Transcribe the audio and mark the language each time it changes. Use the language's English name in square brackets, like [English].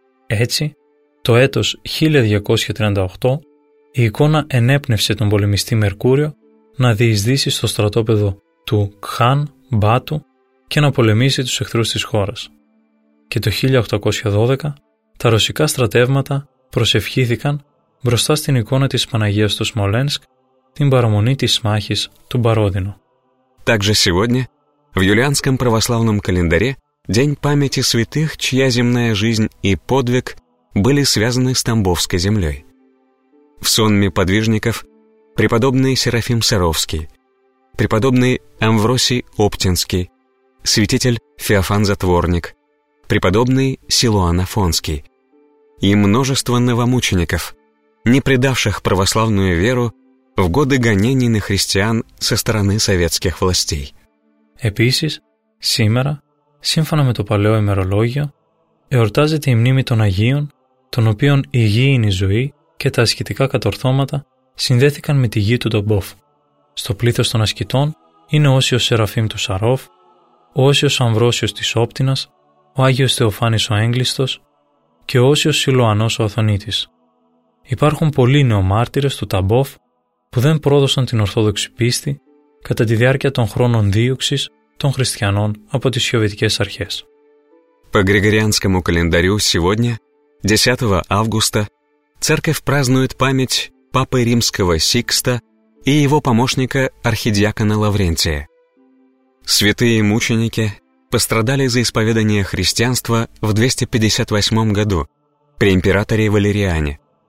[Greek] Έτσι, το έτος 1238, η εικόνα ενέπνευσε τον πολεμιστή Μερκούριο να διεισδύσει στο στρατόπεδο του Κχάν Μπάτου και να πολεμήσει τους εχθρούς της χώρας. Και το 1812, τα ρωσικά στρατεύματα προσευχήθηκαν μπροστά στην εικόνα της Παναγίας στο Σμολένσκ, την παραμονή της μάχης του Μπαρόδινο. [Russian] Также сегодня, в юлианском православном календаре, день памяти святых, чья земная жизнь и подвиг были связаны с Тамбовской землей. В сонме подвижников преподобный Серафим Саровский, преподобный Амвросий Оптинский, святитель Феофан Затворник, преподобный Силуан Афонский и множество новомучеников, не предавших православную веру в годы гонений на христиан со стороны советских властей. [Greek] Επίσης, σήμερα, σύμφωνα με το παλαιό ημερολόγιο, εορτάζεται η μνήμη των Αγίων, των οποίων η υγιεινή ζωή και τα ασκητικά κατορθώματα συνδέθηκαν με τη γη του Τομπόφ. Στο πλήθος των ασκητών είναι Όσιος Σεραφείμ του Σαρόφ, Όσιος Αμβρόσιος της Όπτινας, ο Άγιος Θεοφάνης ο Έγκλειστος και Όσιος Σιλοανός ο Αθωνίτης. Υπάρχουν πολλοί νεομάρτυρες του Τομπόφ που δεν πρόδωσαν την ορθόδοξη πίστη κατά τη διάρκεια των χρόνων δίωξης των χριστιανών από τις σοβιετικές αρχές. [Russian] По Григорианскому календарю сегодня, 10 августа, церковь празднует память Папы Римского Сикста и его помощника архидиакона Лаврентия. Святые мученики пострадали за исповедание христианства в 258 году при императоре Валериане.